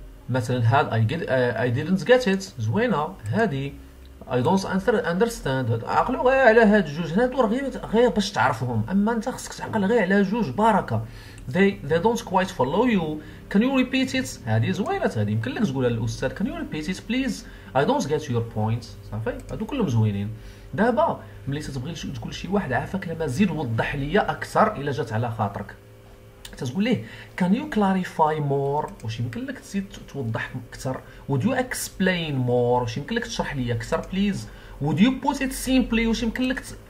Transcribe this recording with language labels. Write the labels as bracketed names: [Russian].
[Arabic] مثلا هاد [English] I didn't get it، [Arabic] زوينة هادي [English] I don't understand. [Arabic] عقلوا غير على هاد جوج هنا، دور غير باش تعرفهم، اما انت خصك تعقل غير على جوج باركه. [English] They don't quite follow you. Can you repeat it؟ [Arabic] هادي زوينه، هادي يمكن لك تقولها للاستاذ. [English] Can you repeat it please؟ I don't get your point. [Arabic] صافي هادو كلهم زوينين. دابا ملي تتبغي تقول شي واحد عافاك لما زيد وضح ليا اكثر الا جات على خاطرك، تتقول ليه [English] Can you clarify more؟ [Arabic] واش يمكن لك تزيد توضح اكثر؟ [English] Would you explain more؟ [Arabic] واش يمكن لك تشرح لي اكثر بليز؟ [English] Would you put it simply؟ [Arabic] واش يمكن لك